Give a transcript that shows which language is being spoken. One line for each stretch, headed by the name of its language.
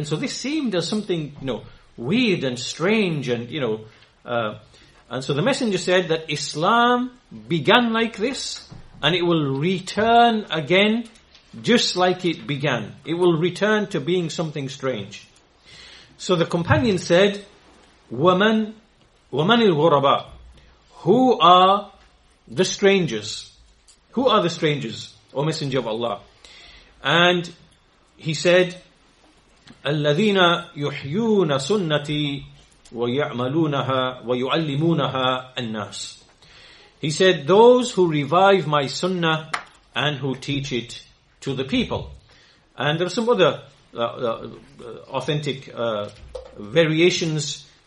English: And so this seemed as something, you know, weird and strange, and, you know, and so the Messenger said that Islam began like this, and it will return again just like it began. It will return to being something strange. So the companion said,
Arabic: وَمَنْ الْغُرَبَىٰ,
English: who are the strangers? Who are the strangers, O Messenger of Allah? And he said,
Arabic: الَّذِينَ يُحْيُونَ سُنَّتِي وَيَعْمَلُونَهَا وَيُعَلِّمُونَهَا النَّاسِ.
English: He said, those who revive my sunnah and who teach it to the people. And there are some other authentic variations.